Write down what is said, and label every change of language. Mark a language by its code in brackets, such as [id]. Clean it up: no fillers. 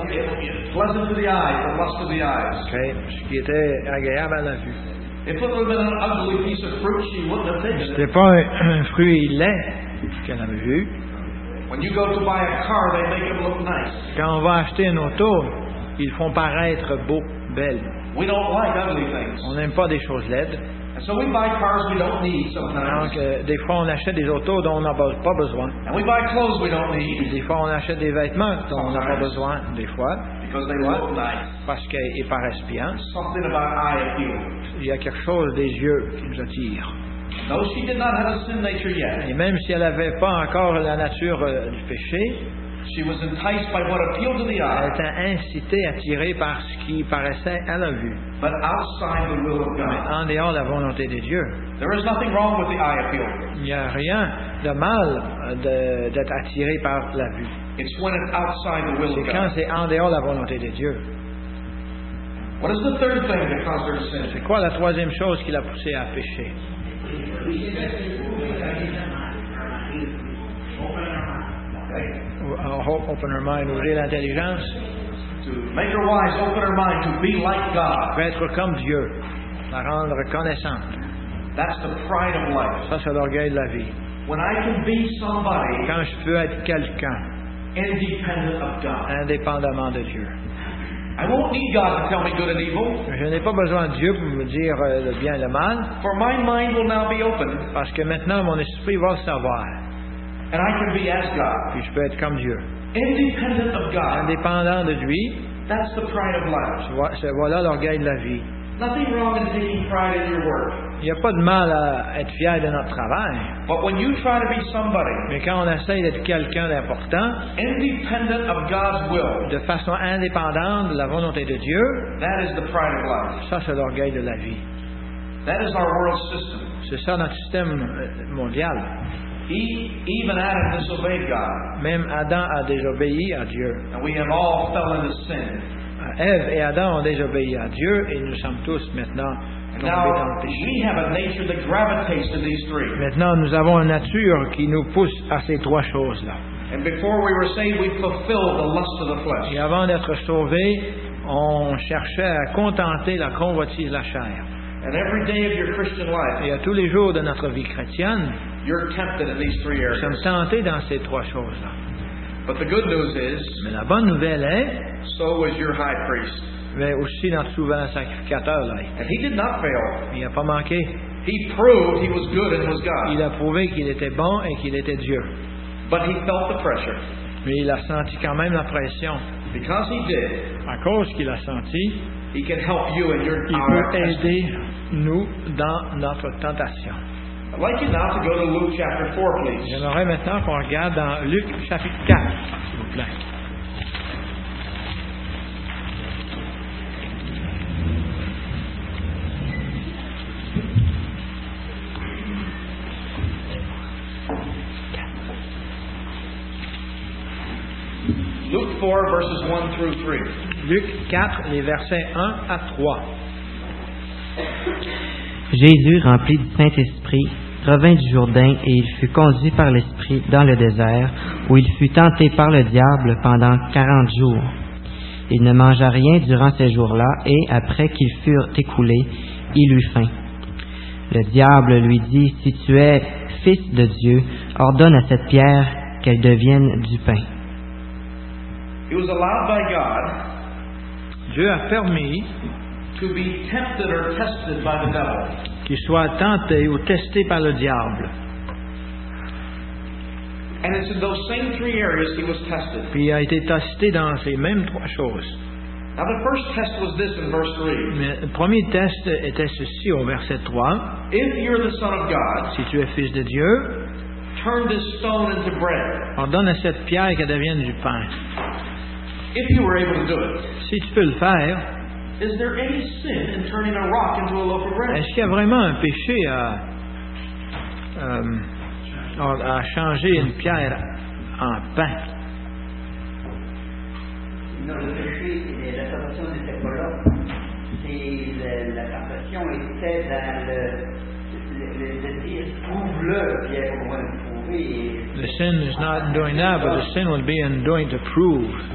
[en] Pleasant to the eye, the lust of the eyes. [fr] Okay, ce qui était agréable à la vue. [en] If it had been an ugly piece of fruit, she wouldn't have taken it. [fr] C'était pas un fruit laid qu'elle avait vu. [en] When you go to buy a car, they make it look nice. [fr] Quand on va acheter une auto, ils font paraître beau, belle. [en] We don't like ugly things. [fr] On n'aime pas des choses laides. [en] And so we buy cars we don't need sometimes. [fr] Donc, des fois on achète des autos dont on n'a pas besoin. [en] And we buy clothes we don't need. [fr] Des fois on achète des vêtements dont [en] sometimes. [fr] On n'a pas besoin des fois. [en] Because they look nice. [fr] Parce qu'ils paraissent bien. [en] Something about eye appeal. [fr] Il y a quelque chose des yeux qui nous attire. [en] Though she did not have a sin nature yet. [fr] Et même si elle n'avait pas encore la nature du péché. [en] She was enticed by what appealed to the eye. [fr] Elle était incitée, attirée par ce qui paraissait à la vue. [en] But outside the will of God. [fr] Mais en dehors de la volonté de Dieu. [en] There is nothing wrong with the eye appeal. [fr] Il n'y a rien de mal d'être attiré par la vue. [en] It's when it's outside the will [fr] c'est [en] of God. [fr] Quand c'est en dehors de la volonté de Dieu. [en] What is the third thing that caused her to sin? [fr] C'est quoi la troisième chose qui l'a poussée à pécher? [en] Open her mind, [fr] ouvrir l'intelligence. [en] To make her wise, open her mind to be like God. [fr] Être comme Dieu, la rendre connaissante. [en] That's the pride of life. [fr] Ça, c'est l'orgueil de la vie. [en] When I can be somebody, [fr] quand je peux être quelqu'un, [en] independent of God. [fr] Indépendamment de Dieu. [en] I won't need God to tell me good and evil. [fr] Je n'ai pas besoin de Dieu pour me dire le bien et le mal. [en] For my mind will now be open. [fr] Parce que maintenant mon esprit va le savoir. [en] And I can be as God. [fr] Puis je peux être comme Dieu. [en] Independent of God. [fr] Indépendant de lui. [en] That's the pride of life. [fr] Voilà l'orgueil de la vie. [en] Nothing wrong in taking pride in your work. [fr] Il n'y a pas de mal à être fier de notre travail. [en] But when you try to be somebody, [fr] mais quand on essaie d'être quelqu'un d'important, [en] independent of God's will, [fr] de façon indépendante de la volonté de Dieu, [en] that is the pride of life. [fr] Ça, c'est l'orgueil de la vie. [en] That is our world system. [fr] C'est ça notre système mondial. [en] Even Adam disobeyed God. [fr] Même Adam a désobéi à Dieu. [en] And we have all fell into sin. [fr] Ève et Adam ont désobéi à Dieu et nous sommes tous maintenant tombés dans le péché. Maintenant, nous avons une nature qui nous pousse à ces trois choses-là. Et avant d'être sauvés, on cherchait à contenter la convoitise de la chair. [en] And every day of your Christian life, [fr] et à tous les jours de notre vie chrétienne, [en] you're tempted in these three areas. [fr] Nous sommes tentés dans ces trois choses-là. [en] But the good news is, [fr] mais la bonne nouvelle est, [en] so was your high priest. [fr] Mais aussi notre souverain sacrificateur là. [en] And he did not fail. [fr] Il n'a pas manqué. [en] He proved he was good and was God. [fr] Il a prouvé qu'il était bon et qu'il était Dieu. [en] But he felt the pressure. [fr] Mais il a senti quand même la pression. [en] Because he did, [fr] à cause qu'il a senti, [en] he can help you in your [fr] il peut aider nous dans notre tentation. [en] I'd like you now to go to Luke chapter 4, please. [fr] J'aimerais maintenant qu'on regarde dans Luc chapitre 4, s'il vous plaît. [en] Luke 4, verses 1 through 3. [fr] Luc 4, les versets 1 à 3. Jésus, rempli du Saint-Esprit, revint du Jourdain et il fut conduit par l'Esprit dans le désert, où il fut tenté par le diable pendant 40 jours. Il ne mangea rien durant ces jours-là, et après qu'ils furent écoulés, il eut faim. Le diable lui dit, « Si tu es fils de Dieu, ordonne à cette pierre qu'elle devienne du pain. » [en] He was allowed by God, [fr] Dieu a permis [en] to be tempted or tested by the devil. [fr] Qu'il soit tenté ou testé par le diable. [en] And it's in those same three areas he was tested. [fr] Puis il a été testé dans ces mêmes trois choses. [en] Now the first test was this in verse 3. [fr] Mais le premier test était ceci au verset 3. [en] If you're the son of God, [fr] si tu es fils de Dieu, [en] turn this stone into bread. [fr] Ordonne à cette pierre qu'elle devienne du pain. [en] If you were able to do it, [fr] si tu peux le faire, [en] is there any sin in turning a rock into a loaf of bread? [fr] Est-ce qu'il y a vraiment un péché à changer une pierre en pain? Non, le péché, c'est la perfection de cette colonne. C'est la perfection était dans le dire, trouve-le, pierre, pour moi, prouver. [en] The sin is not in doing that, but the sin will be in doing to prove.